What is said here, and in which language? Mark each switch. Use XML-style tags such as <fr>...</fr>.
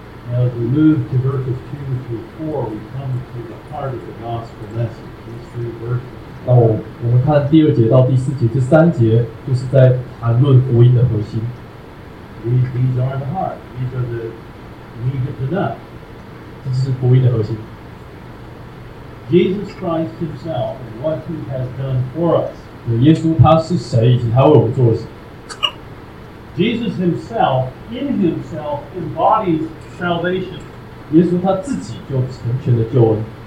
<en>Now, as we move to verses 2 through 4, we come to the heart of the gospel message, these three verses.</en> <zh>那我们看第二节到第四节，这三节就是在谈论福音的核心。</zh> <en>These are the heart. These are the meat of the nut.</en> <zh>这是福音的核心。</zh> <en>Jesus Christ himself and what he has done for us.</en> <zh>耶稣他是谁，以及他为我们做的事。</zh> <en>Jesus himself, in himself, embodies salvation.</en> <zh>耶稣他自己就成全了救恩。</zh>